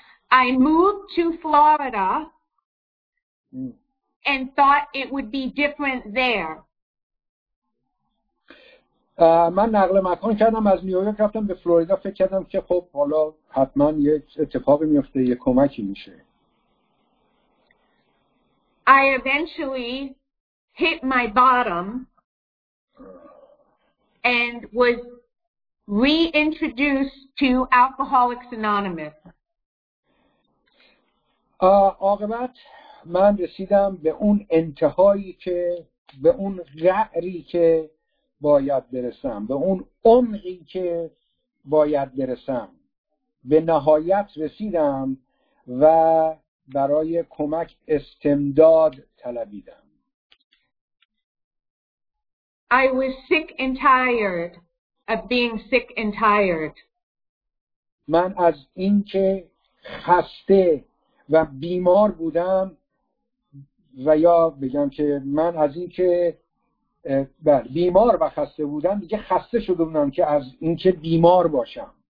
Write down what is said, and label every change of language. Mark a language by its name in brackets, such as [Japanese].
[English] I moved to Florida and thought it would be different there. [Persian] من نقل مکان کردم، از نیویورک رفتم به فلوریدا، فکر کردم که خب حالا حتما یک اتفاقی میفته، یک کمکی میشه. [English] I eventually hit my bottom and was reintroduced to Alcoholics Anonymous. [Persian] عاقبت من رسیدم به اون انتهایی که به اون قعری که باید برسم، به اون عمقی که باید برسم، به نهایت رسیدم و برای کمک استمداد طلبیدم. [English] I was sick and tired of being sick and tired. [Persian] من از اینکه خسته و بیمار بودم و یا بگم که من از اینکه بیمار و خسته بودم دیگه خسته شده بودم که از اینکه بیمار باشم.